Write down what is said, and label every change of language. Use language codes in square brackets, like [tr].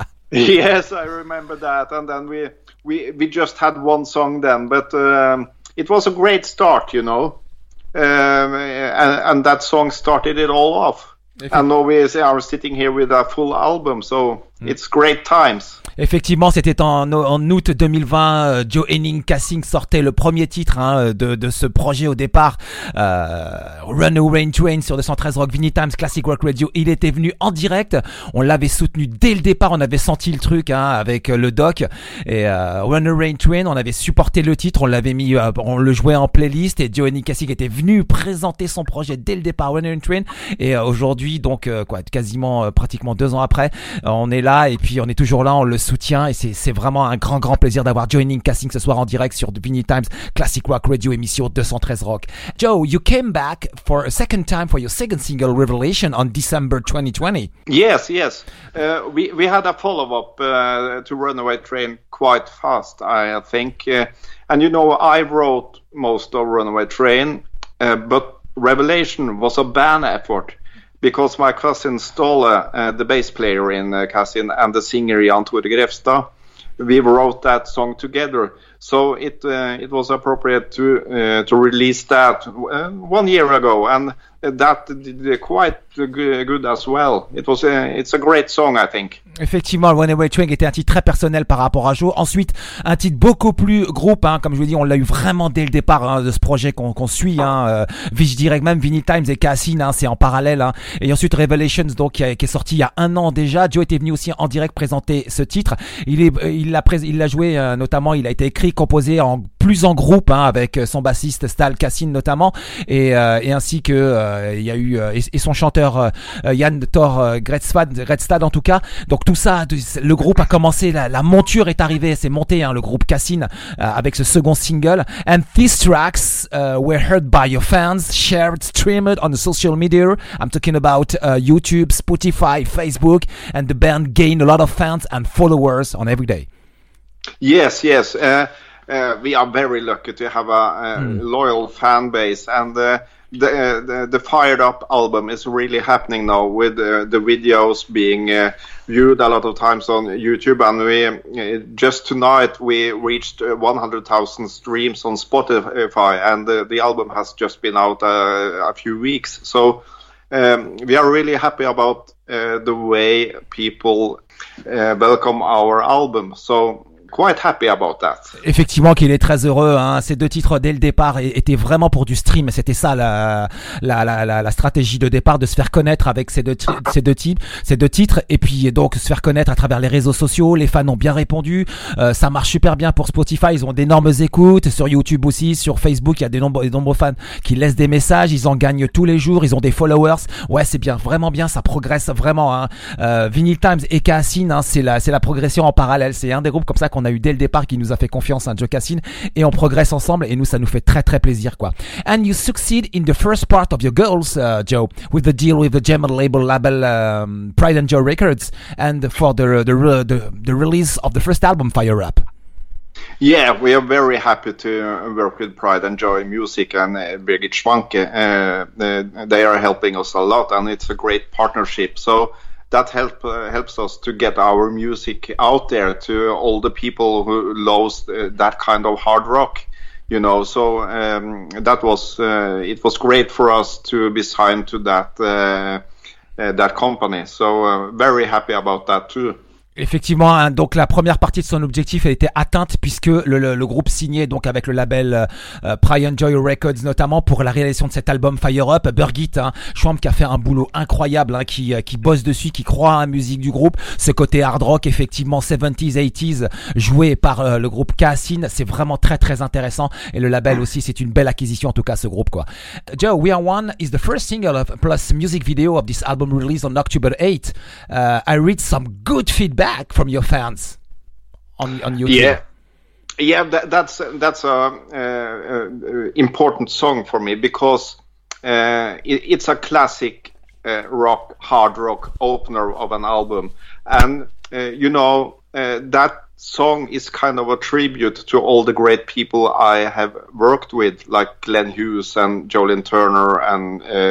[en] Yes, I remember that. And then we just had one song then. But it was a great start, you know. And that song started it all off. And now we are sitting here with a full album, so it's great times. [fr] Effectivement, c'était en août 2020, Joe Henning Kassing sortait le premier titre de ce projet au départ, Runaway Train sur 213 Rock, Vinyl Times, Classic Rock Radio. Il était venu en direct, on l'avait soutenu dès le départ, on avait senti le truc avec le doc. Et Runaway Train, on avait supporté le titre, on le jouait en playlist et Joe Henning Kassing était venu présenter son projet dès le départ, Runaway Train. Et aujourd'hui, donc quasiment pratiquement 2 ans après, on est là et puis on est toujours là, on le soutient et c'est vraiment un grand plaisir d'avoir Joe Henning Kassing ce soir en direct sur Vinyl Times Classic Rock Radio émission 213 Rock. [en] Joe, you came back for a second time for your second single Revelation on December 2020. Yes. We had a follow-up to Runaway Train quite fast, I think. And you know, I wrote most of Runaway Train, but Revelation was a band effort. Because my cousin Ståle, the bass player in Kassing, and the singer Jan Tore Grefstad, we wrote that song together. So it was appropriate to release that 1 year ago, and that did quite good as well. It was it's a great song, I think. [fr] Effectivement, Runaway Train était un titre très personnel par rapport à Joe. Ensuite, un titre beaucoup plus groupe, comme je vous dis, on l'a eu vraiment dès le départ de ce projet qu'on suit. Je dirais même Vinyl Times et Kassing, c'est en parallèle. Et ensuite, Revelations, donc qui est sorti il y a un an déjà. Joe était venu aussi en direct présenter ce titre. Il l'a joué, notamment, il a été écrit, composé en plus en groupe, avec son bassiste Stal Kassing notamment, et ainsi que il y a eu et son chanteur Jan Thor Gretstad en tout cas. Donc tout ça, le groupe a commencé, la monture est arrivée, c'est monté le groupe Kassing avec ce second single. [en] And these tracks were heard by your fans, shared, streamed on the social media. I'm talking about YouTube, Spotify, Facebook, and the band gained a lot of fans and followers on every day. Yes. We are very lucky to have a loyal fan base, and the Fired Up album is really happening now with the videos being viewed a lot of times on YouTube, and we just tonight we reached 100,000 streams on Spotify, and the album has just been out a few weeks, so we are really happy about the way people welcome our album, so quite happy about that. [fr] Effectivement qu'il est très heureux, ces deux titres dès le départ étaient vraiment pour du stream, c'était ça la stratégie de départ, de se faire connaître avec ces deux titres et puis donc se faire connaître à travers les réseaux sociaux. Les fans ont bien répondu, ça marche super bien pour Spotify, ils ont d'énormes écoutes sur YouTube aussi, sur Facebook il y a de nombreux fans qui laissent des messages, ils en gagnent tous les jours, ils ont des followers. Ouais, c'est bien, vraiment bien, ça progresse vraiment, Vinyl Times et Kassing, c'est la progression en parallèle, c'est un des groupes comme ça qu'on a eu dès le départ qui nous a fait confiance, Joe Kassing, et on progresse ensemble et nous ça nous fait très très plaisir quoi. [en] And you succeed in the first part of your goals, Joe, with the deal with the German label Pride and Joy Records, and for the release of the first album Fire Up. Yeah, we are very happy to work with Pride and Joy Music and Birgit Schwanke. They are helping us a lot and it's a great partnership. So that helps us to get our music out there to all the people who loves that kind of hard rock, you know. So that was it was great for us to be signed to that company. So very happy about that too. [fr] Effectivement, hein, donc la première partie de son objectif a été atteinte puisque le groupe signait donc avec le label Prion Joy Records notamment pour la réalisation de cet album Fire Up. Birgit hein, Schwamm qui a fait un boulot incroyable, hein, qui bosse dessus, qui croit à la musique du groupe. Ce côté hard rock, effectivement 70s, 80s, joué par le groupe Cassine, c'est vraiment très très intéressant. Et le label aussi, c'est une belle acquisition en tout cas ce groupe quoi. [en] Joe, We Are One is the first single of, plus music video of this album released on October 8th. I read some good feedback back from your fans on YouTube. That's a important song for me because it's a classic rock hard rock opener of an album, and that song is kind of a tribute to all the great people I have worked with, like Glenn Hughes and Jolyn Turner and